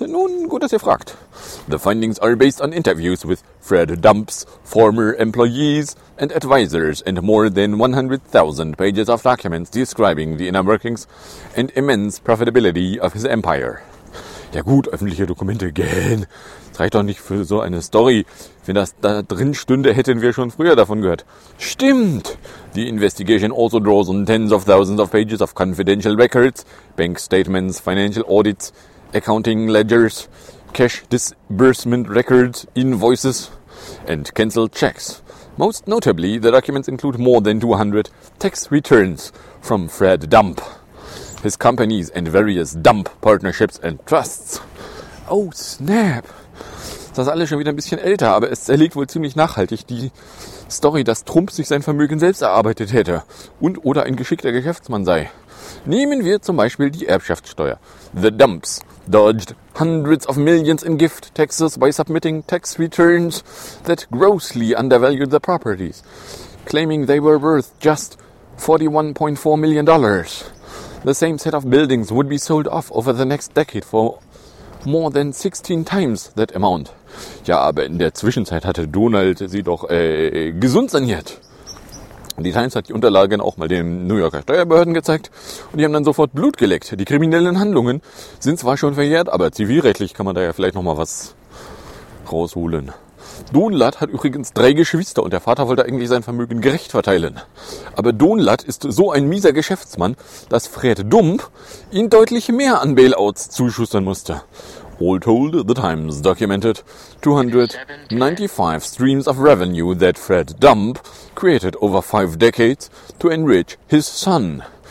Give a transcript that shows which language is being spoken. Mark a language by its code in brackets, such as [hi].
[de] Nun, gut, dass ihr fragt. [en] The findings are based on interviews with Fred Dumps, former employees and advisors, and more than 100,000 pages of documents describing the inner workings and immense profitability of his empire. [de] Ja gut, öffentliche Dokumente gehen. Das reicht doch nicht für so eine Story. Wenn das da drin stünde, hätten wir schon früher davon gehört. Stimmt! [en] The investigation also draws on tens of thousands of pages of confidential records, bank statements, financial audits, accounting ledgers, cash disbursement records, invoices, and canceled checks. Most notably, the documents include more than 200 tax returns from Fred Dump, his companies and various Dump partnerships and trusts. Oh, snap! [de] Das ist alles schon wieder ein bisschen älter, aber es zerlegt wohl ziemlich nachhaltig die Story, dass Trump sich sein Vermögen selbst erarbeitet hätte und oder ein geschickter Geschäftsmann sei. Nehmen wir zum Beispiel die Erbschaftssteuer. [en] The Dumps dodged hundreds of millions in gift taxes by submitting tax returns that grossly undervalued the properties, claiming they were worth just $41.4 million. The same set of buildings would be sold off over the next decade for more than 16 times that amount. [de] Ja, aber in der Zwischenzeit hatte Donald sie doch gesund saniert. Die Times hat die Unterlagen auch mal den New Yorker Steuerbehörden gezeigt und die haben dann sofort Blut geleckt. Die kriminellen Handlungen sind zwar schon verjährt, aber zivilrechtlich kann man da ja vielleicht nochmal was rausholen. Donald hat übrigens 3 Geschwister und der Vater wollte eigentlich sein Vermögen gerecht verteilen. Aber Donald ist so ein mieser Geschäftsmann, dass Fred Dump ihn deutlich mehr an Bailouts zuschustern musste. [en] All told, the Times documented 295 streams of revenue that Fred Dump created over 5 decades to enrich his son.